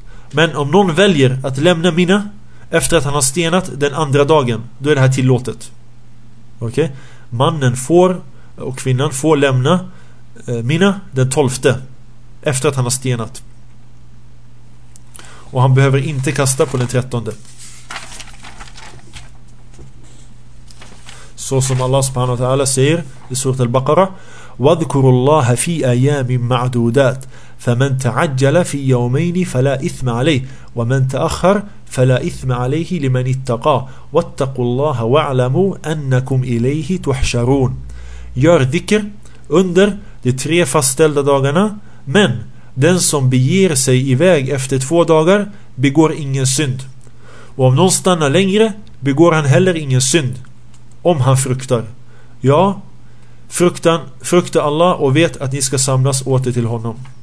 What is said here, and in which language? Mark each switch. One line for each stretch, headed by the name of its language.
Swedish: Men om någon väljer att lämna Mina efter att han har stenat den andra dagen, då är det här tillåtet. Okej? Okay? Mannen får och kvinnan får lämna Mina den 12 efter att han har stenat. Och han behöver inte kasta på den 13. Så som Allah subhanahu wa ta'ala säger i surat al-Baqara:
Arabic: وَذْكُرُ اللَّهَ فِي أَيَامٍ مَعْدُودَاتٍ فَمَنْ تَعَجَّلَ فِي يَوْمَيْنِ فَلَا إِثْمَ عَلَيْهِ وَمَنْ تَأَخَّرْ فَلَا إِثْمَ عَلَيْهِ لِمَنِ اتَّقَى وَاتَّقُوا اللَّهَ وَعْلَمُوا أَنَّكُمْ إِلَيْهِ تُحْشَرُونَ.
Swedish: Gör dhikr under de 3 fastställda dagarna, men den som beger sig iväg efter 2 dagar begår ingen synd. Och om någon stannar längre begår han heller ingen synd, om han fruktar. Ja, frukta Allah och vet att ni ska samlas åter till honom.